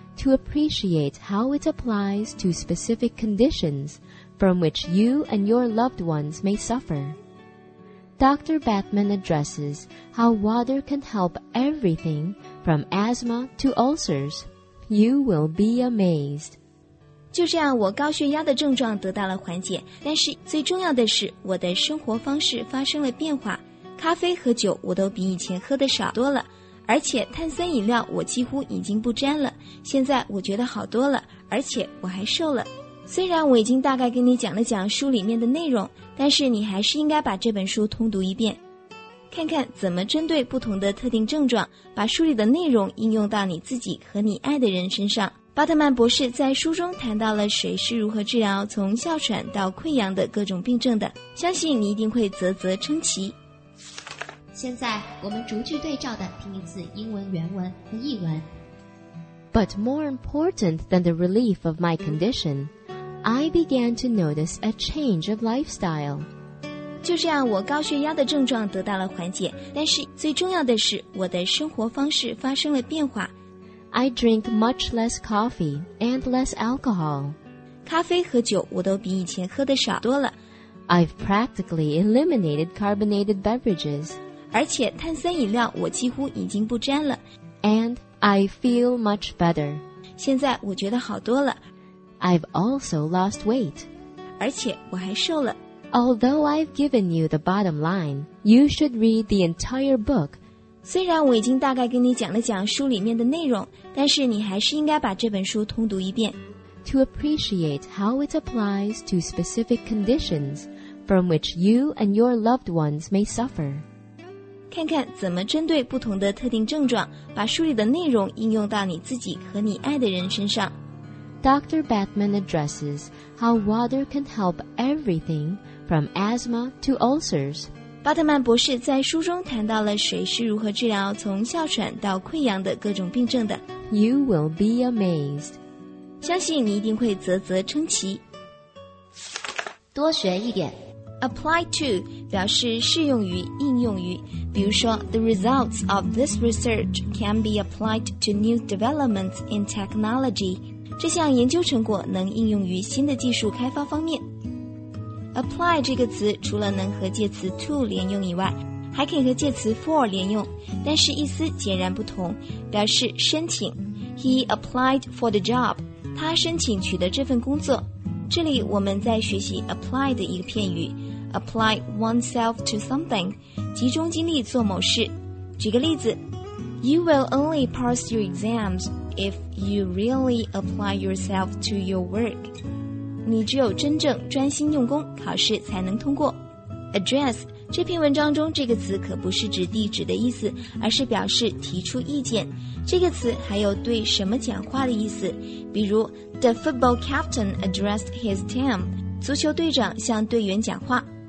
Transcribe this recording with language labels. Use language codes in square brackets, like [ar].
[en] To appreciate how it applies to specific conditions from which you and your loved ones may suffer. Dr. Batman addresses how water can help everything from asthma to ulcers. You will be amazed. [zh] 就这样，我高血压的症状得到了缓解，但是最重要的是，我的生活方式发生了变化。咖啡和酒我都比以前喝得少多了。而且碳酸饮料我几乎已经不沾了，现在我觉得好多了，而且我还瘦了。虽然我已经大概跟你讲了讲书里面的内容，但是你还是应该把这本书通读一遍。看看怎么针对不同的特定症状，把书里的内容应用到你自己和你爱的人身上。巴特曼博士在书中谈到了谁是如何治疗从哮喘到溃疡的各种病症的，相信你一定会啧啧称奇。现在我们逐句对照的听一次英文原文和译文。 [en] But more important than the relief of my condition, I began to notice a change of lifestyle. [zh] 就这样，我高血压的症状得到了缓解，但是最重要的是我的生活方式发生了变化。 [en] I drink much less coffee and less alcohol. [zh] 咖啡和酒我都比以前喝得少多了。 [en] I've practically eliminated carbonated beverages. [zh] 而且碳酸饮料我几乎已经不沾了。 [en] And I feel much better. [zh] 现在我觉得好多了。 [en] I've also lost weight. [zh] 而且我还瘦了。 [en] Although I've given you the bottom line, you should read the entire book. [zh] 虽然我已经大概跟你讲了讲书里面的内容，但是你还是应该把这本书通读一遍。 [en] To appreciate how it applies to specific conditions from which you and your loved ones may suffer. [zh] 看看怎么针对不同的特定症状，把书里的内容应用到你自己和你爱的人身上。 [en] Dr. Batman addresses how water can help everything from asthma to ulcers. [zh] 巴特曼博士在书中谈到了水是如何治疗从哮喘到溃疡的各种病症的。 [en] You will be amazed. [zh] 相信你一定会啧啧称奇。多学一点。 Apply to 表示适用于、应用于。比如说 [en] ,The results of this research can be applied to new developments in technology. [zh] 这项研究成果能应用于新的技术开发方面。 Apply 这个词除了能和介词 to 连用以外，还可以和介词 for 连用，但是意思截然不同，表示申请。 [en] He applied for the job. [zh] 他申请取得这份工作。这里我们在学习 apply 的一个片语 ， [en] apply oneself to something， [zh] 集中精力做某事。举个例子 [en] ，You will only pass your exams if you really apply yourself to your work. [zh] 你只有真正专心用功，考试才能通过。 Address 这篇文章中这个词可不是指地址的意思，而是表示提出意见。这个词还有对什么讲话的意思，比如 [en] The football captain addressed his team， [zh] 足球队长向队员讲话。